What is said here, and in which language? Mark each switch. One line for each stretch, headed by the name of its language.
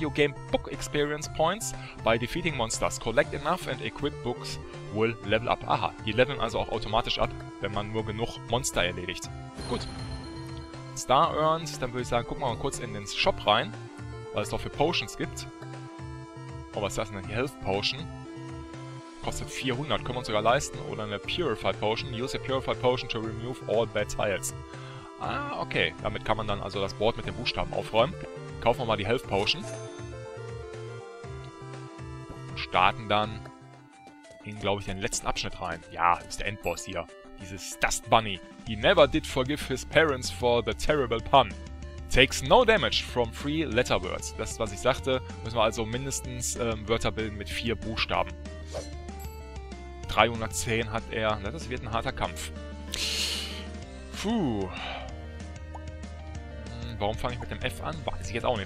English: You gain book experience points by defeating monsters. Collect enough and equip books will level up.
German: Aha, die leveln also auch automatisch ab, wenn man nur genug Monster erledigt. Gut.
English: Star earned.
German: Dann würde ich sagen, guck mal kurz in den Shop rein, was es da für Potions gibt. Oh, was ist das denn? Die Health Potion. Kostet 400. Können wir uns sogar leisten.
English: Oder eine Purified Potion. Use a Purified Potion to remove all bad tiles. Ah, okay.
German: Damit kann man dann also das Board mit den Buchstaben aufräumen. Kaufen wir mal die Health Potion. Und starten dann in, glaube ich, den letzten Abschnitt rein. Ja, ist der Endboss hier. Dieses Dust Bunny.
English: He never did forgive his parents for the terrible pun. Takes no damage from 3 letter words.
German: Das ist, was ich sagte. Müssen wir also mindestens Wörter bilden mit 4 Buchstaben. 310 hat er. Das wird ein harter Kampf. Puh. Warum fange ich mit dem F an? Weiß ich jetzt auch nicht.